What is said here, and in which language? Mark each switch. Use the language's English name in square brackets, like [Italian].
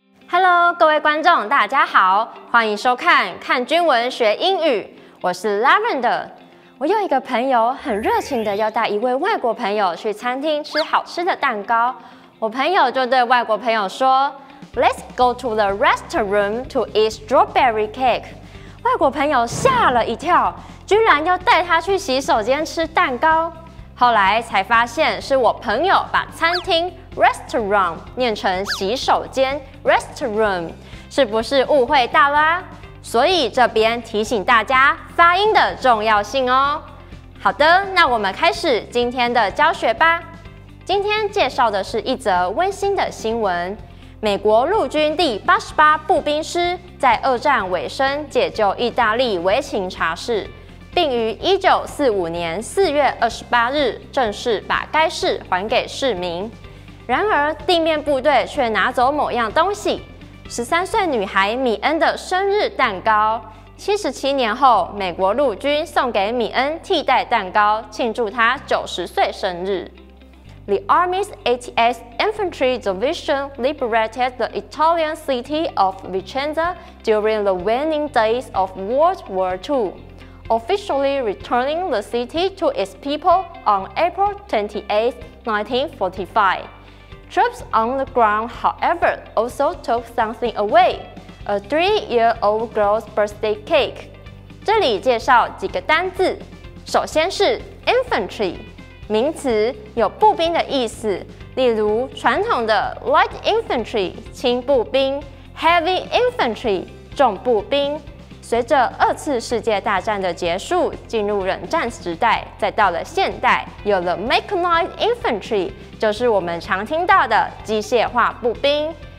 [Chinese] Hello， 各位观众，大家好，欢迎收看《看军文学英语》，我是 Lavender。我有一个朋友很热情的要带一位外国朋友去餐厅吃好吃的蛋糕。我朋友就对外国朋友说 ： [English] “Let's go to the restroom to eat strawberry cake。” [Chinese] 外国朋友吓了一跳，居然要带他去洗手间吃蛋糕。后来才发现是我朋友把餐厅 restaurant 念成洗手间 restroom， 是不是误会大啦？所以这边提醒大家发音的重要性哦。好的，那我们开始今天的教学吧。今天介绍的是一则温馨的新闻：美国陆军第88步兵师在二战尾声解救意大利维琴察市，并于1945年4月28日正式把该市还给市民。然而地面部队却拿走某样东西，13岁女孩米恩的生日蛋糕。 77年后，美国陆军送给米恩替代蛋糕，庆祝她90岁生日。 [English] The Army's 80th Infantry Division liberated the Italian city of Vicenza during the waning days of World War II. Officially returning the city to its people on April 28, 1945. Troops on the ground, however, also took something away, a three-year-old girl's birthday cake. [Chinese] 这里介绍几个单字。首先是 infantry， 名词，有步兵的意思，例如传统的 [English] light infantry， [Chinese] 轻步兵， [English] heavy infantry， [Chinese] 重步兵。随着二次世界大战的结束，进入冷战时代，再到了现代，有了 [English] mechanized infantry， [Chinese] 就是我们常听到的机械化步兵。